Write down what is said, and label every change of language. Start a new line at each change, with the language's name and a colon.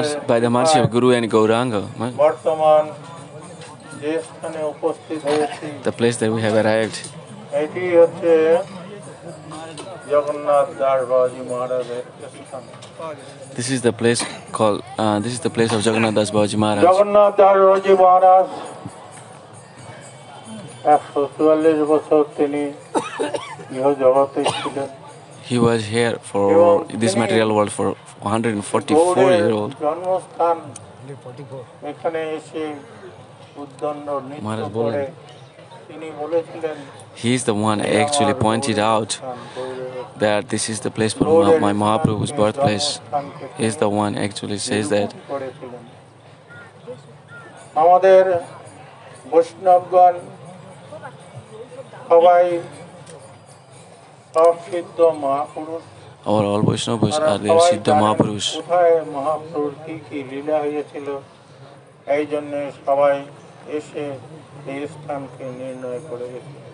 English: by the mercy of Guru and Gauranga,
Bangla: বর্তমান যে স্থানে উপস্থিত হয়েছি,
English: the place that we have arrived,
Bangla: এটি হচ্ছে জগন্নাথ দাস বাবাজি মহারাজের স্থান।
English: This is the place called this is the place of Jagannath Das Babaji Maharaj.
Bangla: Jagannath Das Babaji Maharaj 144 বছর তিনি ইহ জগতে ছিলেন।
English: He was here for this material world for 144 years old.
Bangla: জন্মস্থান 44 এখানে এসে উদ্দণ্ড নিত্য মহারাজ বলেন, তিনি বলেছিলেন,
English: He is the one actually pointed out that this is the place for my Mahaprabhu's birthplace. He is the one actually says that.
Bangla: আমাদের বৈষ্ণবগণ সবাই সিদ্ধ মহাপুরুষ।
English: All Vaishnavas are সিদ্ধ মহাপুরুষ।
Bangla: কোথায় মহাপুরুষ কি কি লীলা হয়েছিল এই জন্য সবাই এসে এই স্থানকে নির্ণয় করে গেছে।